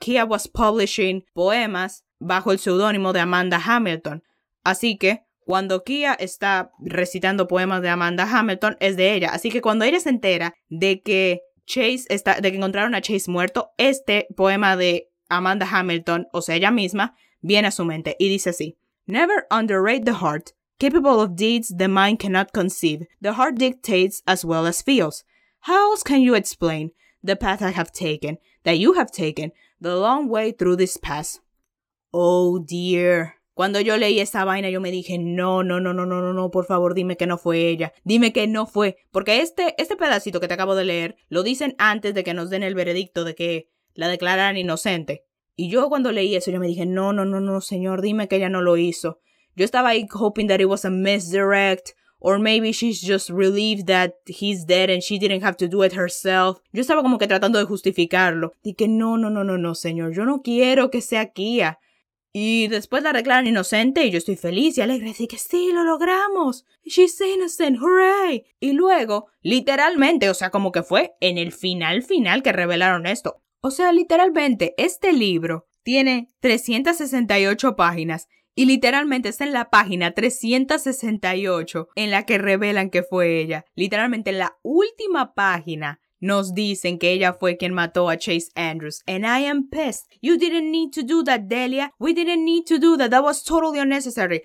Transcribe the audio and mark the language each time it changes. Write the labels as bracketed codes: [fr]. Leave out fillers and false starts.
[es] Kia [en] was publishing [es] poemas bajo el seudónimo de Amanda Hamilton. Así que cuando Kia está recitando poemas de Amanda Hamilton, es de ella. Así que cuando ella se entera de que Chase está, de que encontraron a Chase muerto, este poema de Amanda Hamilton, o sea, ella misma, viene a su mente y dice así. [en] Never underrate the heart, capable of deeds the mind cannot conceive. The heart dictates as well as feels. How else can you explain the path I have taken, that you have taken, the long way through this pass? Oh dear. [es] Cuando yo leí esa vaina, yo me dije, no, por favor, dime que no fue ella. Dime que no fue. Porque este pedacito que te acabo de leer, lo dicen antes de que nos den el veredicto de que la declararan inocente. Y yo cuando leí eso, yo me dije, no, señor, dime que ella no lo hizo. Yo estaba ahí [en] hoping that it was a misdirect, or maybe she's just relieved that he's dead and she didn't have to do it herself. [es] Yo estaba como que tratando de justificarlo. Dije, no, señor, yo no quiero que sea Kia. Y después la declaran inocente y yo estoy feliz y alegre. Así que sí, lo logramos. [en] She's innocent, hooray. [es] Y luego, literalmente, o sea, como que fue en el final que revelaron esto. O sea, literalmente, este libro tiene 368 páginas y literalmente está en la página 368 en la que revelan que fue ella. Literalmente, en la última página nos dicen que ella fue quien mató a Chase Andrews. [en] And I am pissed. You didn't need to do that, Delia. We didn't need to do that. That was totally unnecessary.